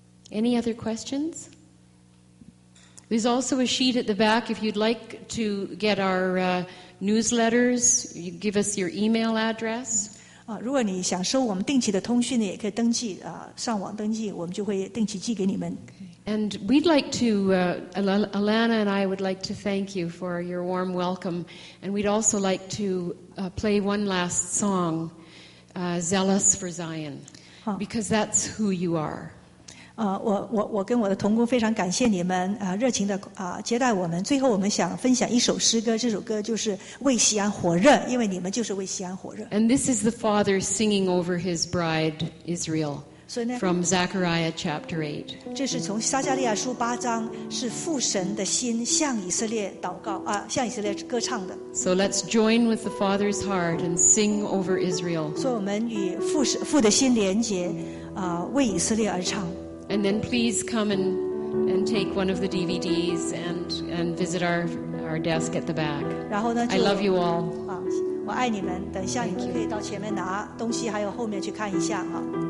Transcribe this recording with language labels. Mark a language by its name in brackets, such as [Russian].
[English] Any other questions? There's also a sheet at the back if you'd like to get our. Newsletters. You give us your email address. [Chinese] 如果你想收我们定期的通讯呢，也可以登记上网登记，我们就会定期寄给你们。 [English] And we'd like to Alana and I would like to thank you for your warm welcome, and we'd also like to play one last song, "Zealous for Zion," because that's who you are. [Chinese] 我跟我的同工非常感谢你们热情的接待我们。最后我们想分享一首诗歌，这首歌就是为锡安火热，因为你们就是为锡安火热。 [English] And this is the Father singing over his bride Israel from Zechariah chapter 8. [Chinese] 这是从撒迦利亚书八章，是父神的心向以色列祷告啊，向以色列歌唱的。 [English] So let's join with the Father's heart and sing over Israel. [Chinese] 所以我们与父的心连结为以色列而唱。 [English] And then please come and take one of the DVDs and visit our desk at the back. [Chinese] 然后呢， [English] I love you all. [Chinese] 我爱你们。等一下你可以到前面拿东西，还有后面去看一下啊。